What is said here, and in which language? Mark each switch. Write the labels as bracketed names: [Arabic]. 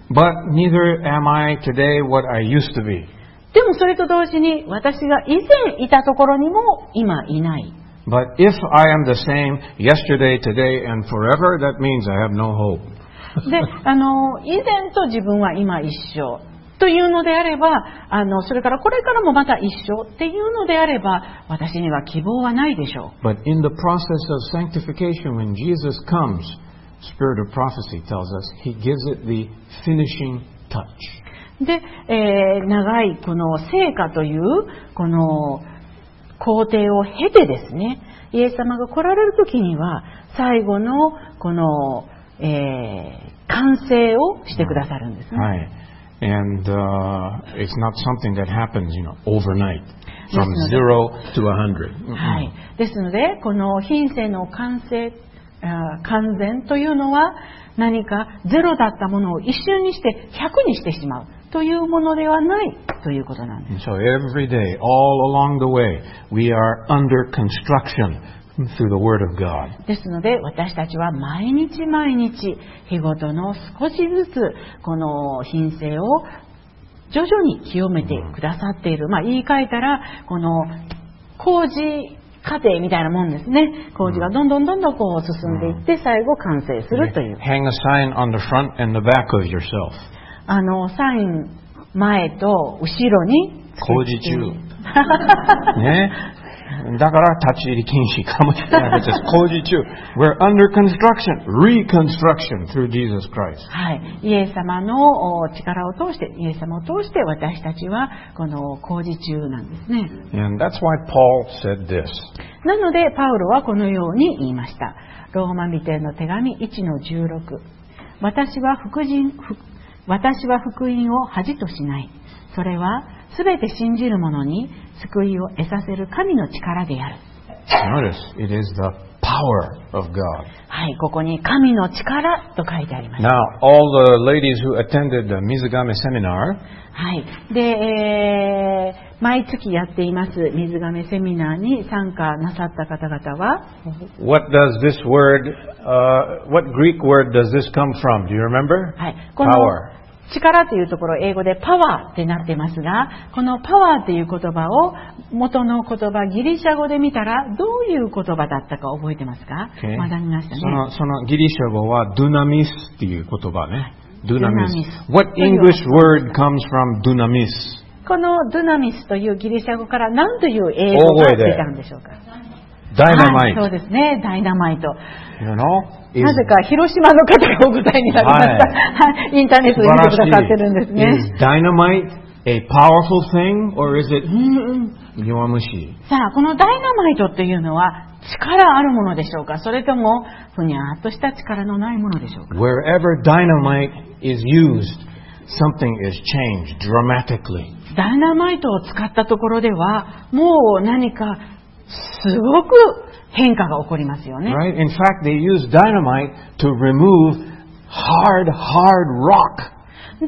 [English] But neither am I today what I used to be. [Japanese] でもそれと同時に私が以前いたところにも今いない。 [English] But if I am the same yesterday, today, and forever, that means I have no hope. [Japanese] で、以前と自分は今一緒というのであれば、それからこれからもまた一緒っていうのであれば、私には希望はないでしょう。 [English] But in the process of sanctification, when Jesus comes, Spirit of Prophecy tells us, He gives it the finishing touch. [Japanese] で、長いこの聖火というこの工程を経てですね、イエス様が来られるときには最後のこの、完成をしてくださるんですね。はい。 [English] And it's not something that happens, you know, overnight, from zero to a hundred. [Japanese] はい。ですので、この品性の完成、完全というのは何かゼロだったものを一瞬にして100にしてしまう。というものではないということなんです。 [English] So every day, all along the way, we are under construction through the Word of God. [Japanese] ですので、私たちは毎日毎日、日ごとの少しずつこの品性を徐々に清めてくださっている。まあ言い換えたら、この工事過程みたいなもんですね。工事がどんどんどんどんこう進んでいって、最後完成するという。 [English] Hang a sign on the front and the back of yourself. [Japanese] サイン前と後ろに工事中ね。だから立ち入り禁止かもしれないです。工事中。 [English] We're under construction, reconstruction through Jesus Christ. [Japanese] はい。イエス様の力を通して、イエス様を通して私たちはこの工事中なんですね。 [English] And that's why Paul said this. [Japanese] なのでパウロはこのように言いました。ローマ人への手紙 1-16。私は福音を恥としない。それはすべて信じる者に救いを得させる神の力である。 [English] Notice, it is the power of God. [Japanese] はい、ここに神の力と書いてあります。 [English] Now, all the ladies who attended the Mizugame seminar. [Japanese] はい、で、毎月やっています Mizugame セミナーに参加なさった方々は、 [English] What does this word, what Greek word does this come from? Do you remember? [Japanese] はい、この power. 力というところ英語でパワーってなってますが、このパワーという言葉を元の言葉ギリシャ語で見たらどういう言葉だったか覚えてますか？ [English] Okay. [Japanese] まだ見ましたね。そのギリシャ語はドゥナミスっていう言葉ね。 [English] ドゥナミス。What English word comes from ドゥナミス？ [Japanese] このドゥナミスというギリシャ語から何という英語が出たんでしょうか？ダイナマイト。そうですね、ダイナマイト。 [English] You know? [Japanese] なぜか広島の方がお答えになりました、はい、インターネットで見てくださってるんですね。 [English] Is dynamite a powerful thing or is it [Japanese] 弱虫？さあ、このダイナマイトっていうのは力あるものでしょうか、それともふにゃーっとした力のないものでしょうか。 [English] Wherever dynamite is used, something is changed dramatically. [Japanese] ダイナマイトを使ったところではもう何かすごく変化が起こりますよね。 [English] Right. In fact, they use dynamite to remove hard, hard rock.